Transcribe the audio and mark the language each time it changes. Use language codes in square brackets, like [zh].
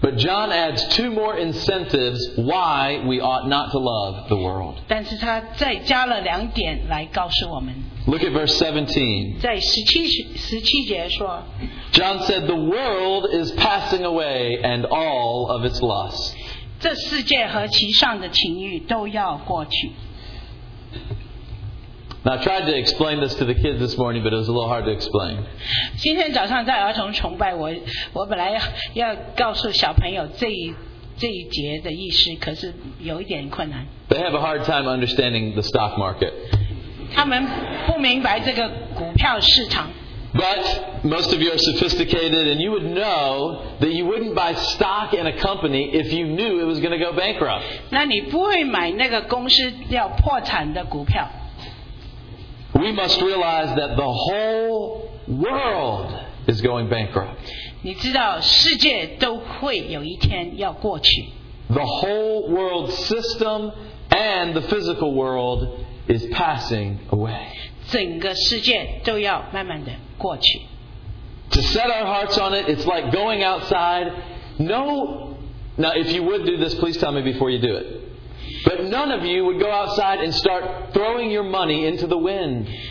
[en] But John adds two more incentives why we ought not to love the world. [zh] 但是他再加了两点来告诉我们。 [en] Look at verse 17. [zh] 在十七节说。 [en] John said, "The world is passing away, and all of its lusts." [zh] 这世界和其上的情欲都要过去。 [en] Now, I tried to explain this to the kids this morning, but it was a little hard to explain. [zh] 今天早上在儿童崇拜，我本来要告诉小朋友这一这一节的意思，可是有一点困难。 [en] They have a hard time understanding the stock market. [zh] 他们不明白这个股票市场。 [en] But most of you are sophisticated, and you would know that you wouldn't buy stock in a company if you knew it was going to go bankrupt. [zh] 那你不会买那个公司要破产的股票。 [en] We must realize that the whole world is going bankrupt. [zh] 你知道世界都会有一天要过去。 [en] The whole world system and the physical world is passing away. [zh] 整个世界都要慢慢的过去。 [en] To set our hearts on it, it's like going outside. No, now if you would do this, please tell me before you do it. But none of you would go outside and start throwing your money into the wind.